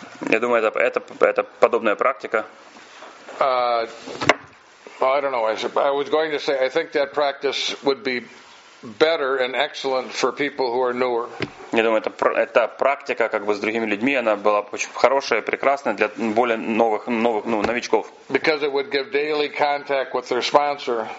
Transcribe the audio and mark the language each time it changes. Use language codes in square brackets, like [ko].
[ru] Я думаю, это подобная практика. [en] I don't know. I was going to say I think that practice would be better and excellent for people who are newer. [ru] Я думаю, эта практика как бы с другими людьми, она была очень хорошая, прекрасная для более новых ну, новичков. [en] Because it would give daily contact with their sponsor.